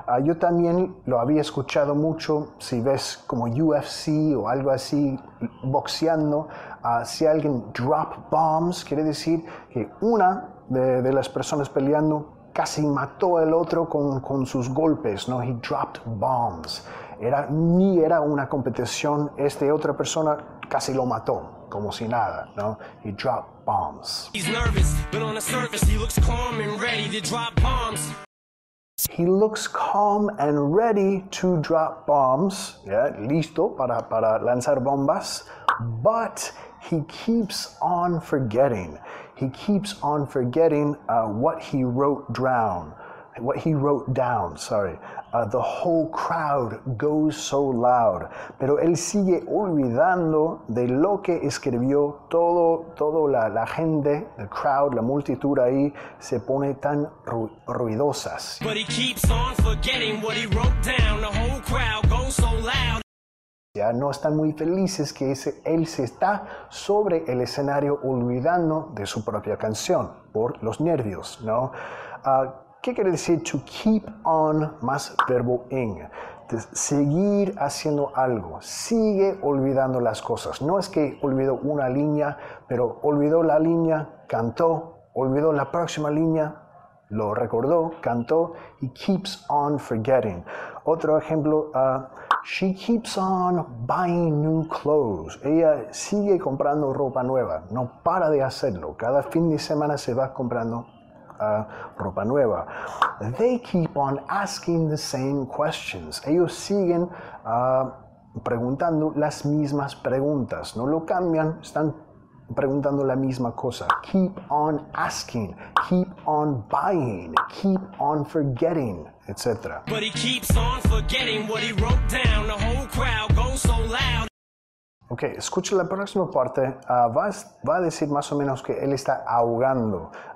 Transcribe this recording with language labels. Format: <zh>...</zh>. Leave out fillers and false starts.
<es>Yo también lo había escuchado mucho. Si ves como UFC o algo así, boxeando, si alguien drop bombs, quiere decir que una de las personas peleando casi mató al otro con sus golpes, ¿no?</es> <en>He dropped bombs.</en> <es>Ni era una competición. Esta otra persona casi lo mató, como si nada, ¿no?</es> <en>He dropped bombs. He's nervous, but on the surface he looks calm and ready to drop bombs. He looks calm and ready to drop bombs. Yeah,</en> <es>listo para lanzar bombas.</es> <en>But he keeps on forgetting. He keeps on forgetting what he wrote down. The whole crowd goes so loud.</en> <es>Pero él sigue olvidando de lo que escribió. Todo la gente, the crowd, la multitud ahí, se pone tan ruidosas.</es> <en>But he keeps on forgetting what he wrote down. The whole crowd goes so loud.</en> <es>Ya no están muy felices que él se está sobre el escenario olvidando de su propia canción por los nervios, ¿no? ¿Qué quiere decir to keep on más verbo ing? Seguir haciendo algo. Sigue olvidando las cosas. No es que olvidó una línea, pero olvidó la línea, cantó. Olvidó la próxima línea, lo recordó, cantó.</es> <en>He keeps on forgetting.</en> <es>Otro ejemplo,</es> <en>she keeps on buying new clothes.</en> <es>Ella sigue comprando ropa nueva. No para de hacerlo. Cada fin de semana se va comprando ropa nueva.</es> <en>They keep on asking the same questions.</en> <es>Ellos siguen preguntando las mismas preguntas. No lo cambian, están preguntando la misma cosa.</es> <en>Keep on asking, keep on buying, keep on forgetting, etc. But he keeps on forgetting what he wrote down. The whole crowd goes so loud.</en> <es>Ok, escuche la próxima parte. Va a decir más o menos que él está ahogando.</es>